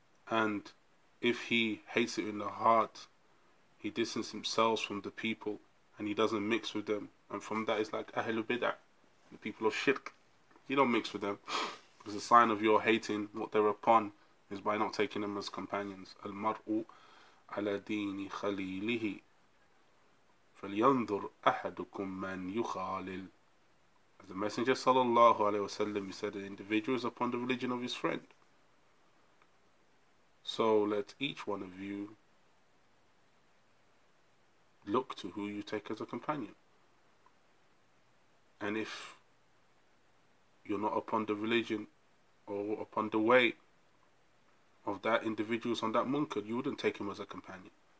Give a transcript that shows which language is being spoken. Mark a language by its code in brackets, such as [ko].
[en] And if he hates it in the heart, he distances himself from the people and he doesn't mix with them. And from that is like ahlu bid'ah, the people of shirk. You don't mix with them, because the sign of your hating what they're upon is by not taking them as companions. [ar] Al mar'u على دين خليله فلينظر أحدكم من يخالل. [en] As the Messenger sallallahu alaihi wasallam, he said, an individual is upon the religion of his friend. So let each one of you look to who you take as a companion. And if you're not upon the religion or upon the way of that individual's on that munkar, you wouldn't take him as a companion.